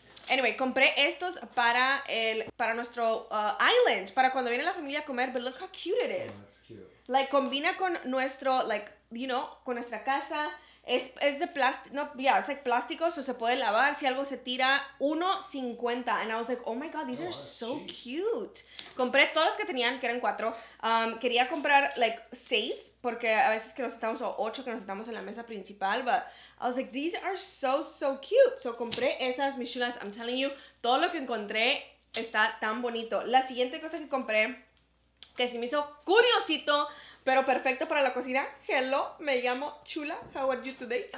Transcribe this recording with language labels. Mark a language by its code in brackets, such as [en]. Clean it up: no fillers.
[es] Anyway, compré estos para nuestro island, para cuando viene la familia a comer. [en] But look how cute it is. Oh, that's cute. [es] Like, combina con nuestro, like, [en] you know, [es] con nuestra casa. Es de plástico, no, yeah, es like plástico, so se puede lavar. Si algo se tira, $1.50. [en] And I was like, oh my god, these are so cute. [es] Compré todas las que tenían, que eran 4. Quería comprar, like, 6. Porque a veces que nos sentamos, o 8 que nos sentamos en la mesa principal, [en] but I was like, these are so, so cute. [es] So compré esas, mis chulas, [en] I'm telling you, [es] todo lo que encontré está tan bonito. La siguiente cosa que compré, que sí me hizo curiosito, pero perfecto para la cocina. [en] Hello, [es] me llamo Chula, [en] how are you today?